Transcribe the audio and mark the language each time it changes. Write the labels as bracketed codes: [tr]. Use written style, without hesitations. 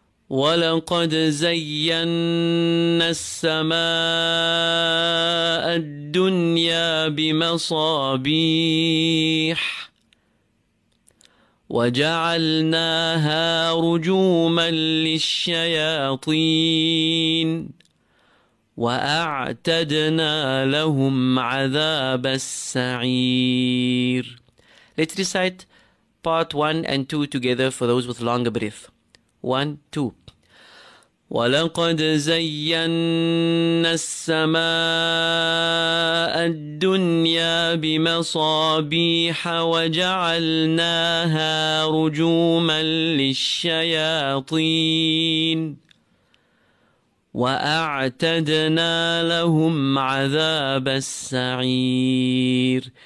[ar] وَلَقَدْ زَيَّنَّا السَّمَاءَ الدُّنْيَا بِمَصَابِيحَ وجعلناها رجوما للشياطين وأعتدنا لهم عذاب السعير. [en] Let's recite part 1 and 2 together for those with longer breath. 1, 2. [ar] ولقد زينا السماء الدنيا بمصابيح وجعلناها رجوما للشياطين وأعتدنا لهم عذاب السعير.